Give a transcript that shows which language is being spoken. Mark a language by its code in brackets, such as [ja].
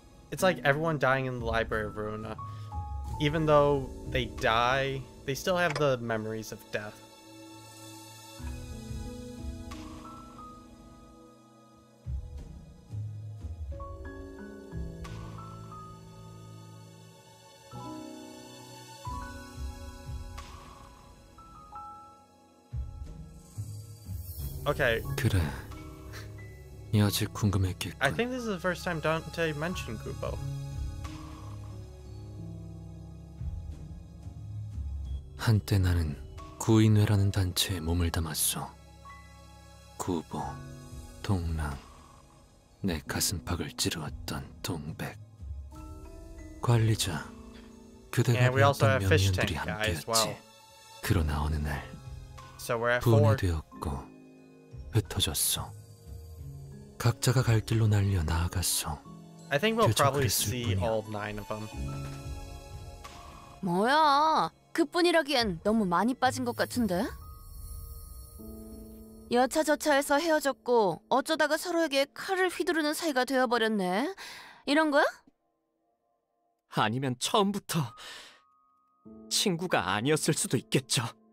[en] 에브리원 다잉 인 더 라이브러리 오브 루나. Even though they die, they still have the memories of death. [ko] 그래. 이 아직 궁금했겠군. [en] I think this is the first time Dante mentioned Kubo. [ko] 한때 나는 구인회라는 단체에 몸을 담았어. 구보, 동랑, 내 가슴팍을 찌르었던 동백, 관리자, 그대가 배웠던 명의원들이 함께였지. 그러나 어느 날 분이 되었고 흩어졌어. 각자가 갈 길로 날려 나아갔어. [en] I think we'll probably see all nine of them. [ko] 뭐야? 그뿐이라기엔 너무 많이 빠진 것 같은데? 여차저차해서 헤어졌고 어쩌다가 서로에게 칼을 휘두르는 사이가 되어버렸네. 이런 거야? 아니면 처음부터 친구가 아니었을 수도 있겠죠.